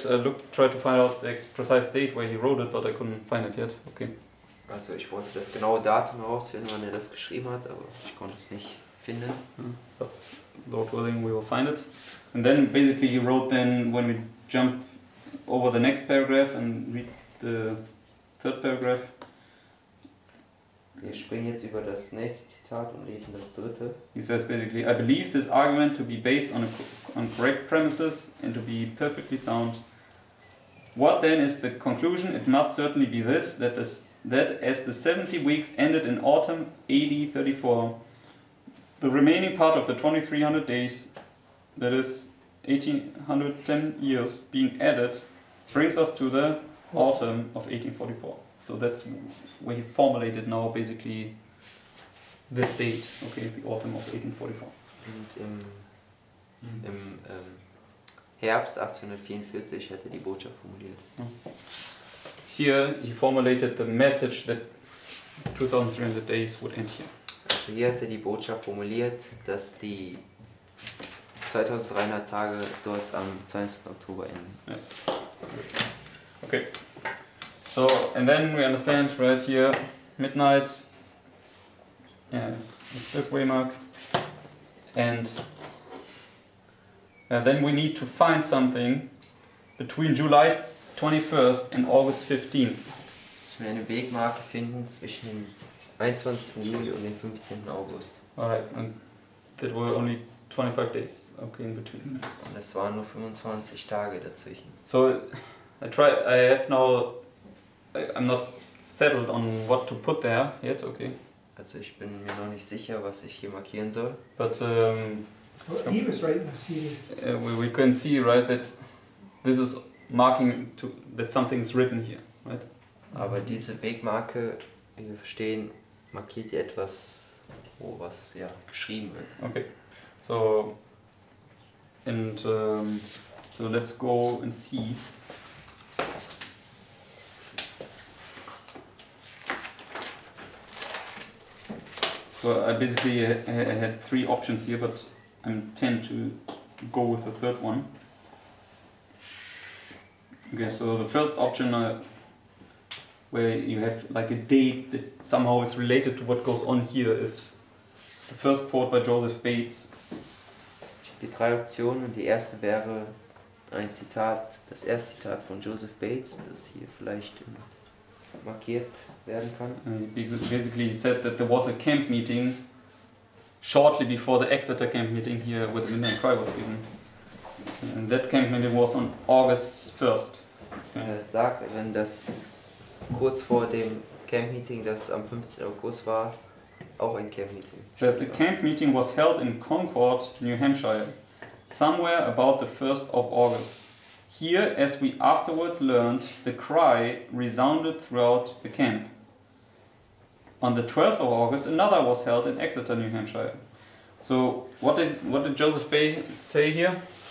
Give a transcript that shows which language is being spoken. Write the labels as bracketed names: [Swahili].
[English] Luke tried to find out the precise date where he wrote it, but I couldn't find it yet. Okay. [German] Also ich wollte das genaue Datum herausfinden, wann das geschrieben hat, aber ich konnte es nicht finden. [English] But Lord willing, we will find it. And then basically he wrote then when we jump over the next paragraph and read the third paragraph. [German] Wir springen jetzt über das nächste Zitat und lesen das dritte. [English] He says basically, I believe this argument to be based on correct premises and to be perfectly sound. What then is the conclusion? It must certainly be this, that as the 70 weeks ended in autumn AD 34, the remaining part of the 2300 days, that is 1810 years, being added, brings us to the autumn of 1844. So that's where he formulated now basically this date, okay, the autumn of 1844. [German] Und im Herbst 1844 hat er die Botschaft formuliert. [English] Here he formulated the message that 2300 days would end here. [German] Also hier hat er die Botschaft formuliert, dass die 2300 Tage dort am 20. Oktober enden. [English] Yes. Okay. So, and then we understand right here, midnight, yes, it's this way, Mark, and then we need to find something between July 21st and August 15th. [German] Jetzt müssen wir eine Wegmarke finden zwischen dem 21. Juli und dem 15. August. [English] Alright, and that were only 25 days, okay, in between. [German] Und es waren nur 25 Tage dazwischen. [English] So, I have now... I'm not settled on what to put there yet, okay. [German] Also ich bin mir noch nicht sicher, was ich hier markieren soll. [English] But, well, he was writing a series. We can see, right, that this is marking to that something's written here, right? [German] Aber diese Wegmarke, wie wir verstehen, markiert ja etwas, wo was, ja, geschrieben wird. [English] Okay, so, and, so let's go and see. So I basically had three options here, but I tend to go with the third one. Okay, so the first option where you have like a date that somehow is related to what goes on here is the first quote by Joseph Bates. [German] Ich habe drei Optionen. Die erste wäre ein Zitat, das erste Zitat von Joseph Bates, das hier vielleicht markiert werden kann. [English] Basically he said that there was a camp meeting shortly before the Exeter camp meeting here where the Midnight Cry was given. And that camp meeting was on August 1st. Okay. [German] Er sagt, wenn das kurz vor dem camp meeting, das am 15. August war, auch ein camp meeting. [English] He says the camp meeting was held in Concord, New Hampshire, somewhere about the 1st of August. Here, as we afterwards learned, the cry resounded throughout the camp. On the 12th of August, another was held in Exeter, New Hampshire. So, what did Joseph Bates say here?